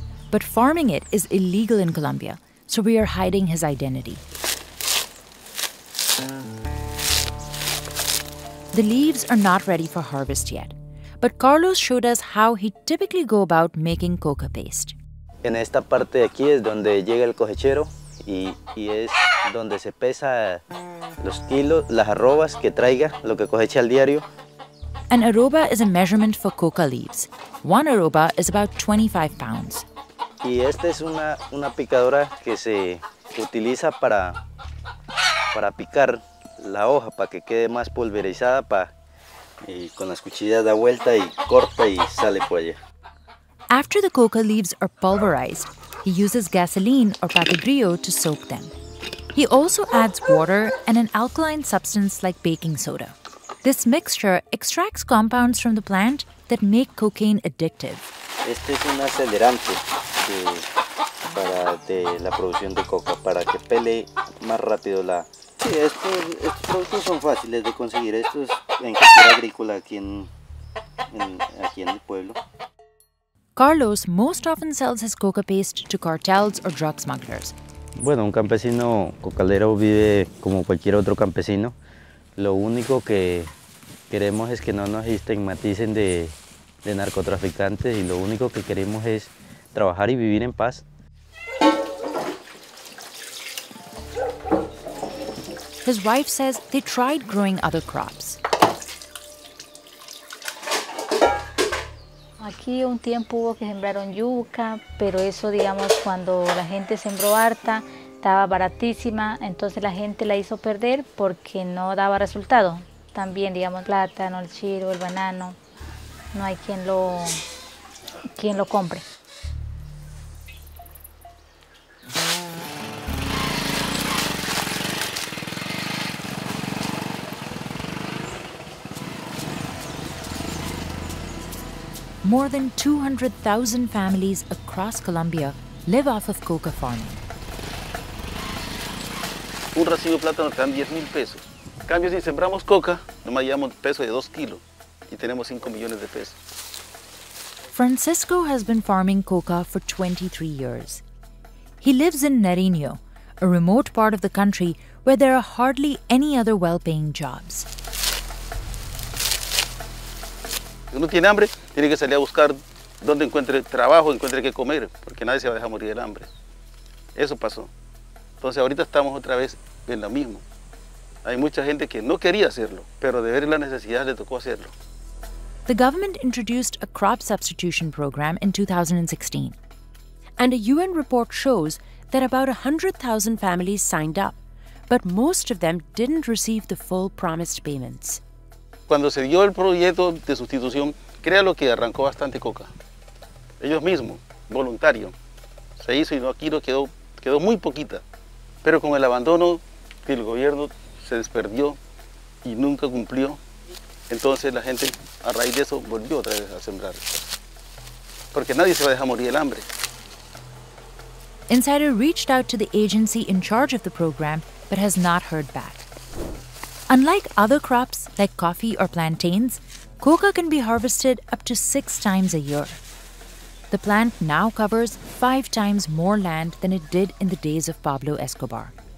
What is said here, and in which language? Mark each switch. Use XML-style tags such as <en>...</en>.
<en>But farming it is illegal in Colombia, so we are hiding his identity. The leaves are not ready for harvest yet, but Carlos showed us how he typically go about making coca paste.</en> <es>En esta parte de aquí es donde llega el cosechero y es donde se pesa los kilos, las arrobas que traiga, lo que coseche al diario.</es> <en>An arroba is a measurement for coca leaves. One arroba is about 25 pounds.</en> <es>Y esta es una picadora que se utiliza para picar la hoja, para que quede más pulverizada, para y con las cuchillas da vuelta y corta y sale por allá.</es> <en>After the coca leaves are pulverized, he uses gasoline or papagrio to soak them. He also adds water and an alkaline substance like baking soda. This mixture extracts compounds from the plant that make cocaine addictive.</en> <es>Este es un acelerante que, para de la producción de coca, para que pele más rápido la... Sí, estos productos son fáciles de conseguir. Esto es en cultura agrícola aquí en el pueblo.</es> <en>Carlos most often sells his coca paste to cartels or drug smugglers.</en> <es>Bueno, un campesino cocalero vive como cualquier otro campesino. Lo único que queremos es que no nos estigmaticen de narcotraficantes y lo único que queremos es trabajar y vivir en paz.</es> <en>His wife says they tried growing other crops.</en> <es>Aquí un tiempo hubo que sembraron yuca, pero eso, digamos, cuando la gente sembró harta, estaba baratísima, entonces la gente la hizo perder porque no daba resultado. También, digamos, plátano, el chiro, el banano, no hay quien lo compre.</es> <en>More than 200,000 families across Colombia live off of coca farming.</en> <es>Un racimo de plátano te dan 10 mil pesos. En cambio, si sembramos coca, nomás llevamos un peso de 2 kilos y tenemos 5 millones de pesos.</es> <en>Francisco has been farming coca for 23 years. He lives in Nariño, a remote part of the country where there are hardly any other well-paying jobs.</en> <es>Si uno tiene hambre, tiene que salir a buscar dónde encuentre trabajo, encuentre qué comer, porque nadie se va a dejar morir del hambre. Eso pasó. Entonces ahorita estamos otra vez en lo mismo. Hay mucha gente que no quería hacerlo, pero de ver la necesidad le tocó hacerlo.</es> <en>The government introduced a crop substitution program in 2016. And a UN report shows that about 100,000 families signed up, but most of them didn't receive the full promised payments.</en> <es>Cuando se dio el proyecto de sustitución, créalo que arrancó bastante coca. Ellos mismos, voluntario, se hizo y aquí no quedó muy poquita. Pero con el abandono que el gobierno se desperdió y nunca cumplió, entonces la gente a raíz de eso volvió otra vez a sembrar. Porque nadie se va a dejar morir el hambre.</es> <en>Insider reached out to the agency in charge of the program, but has not heard back. Unlike other crops, like coffee or plantains, coca can be harvested up to 6 times a year. The plant now covers 5 times more land than it did in the days of Pablo Escobar.</en>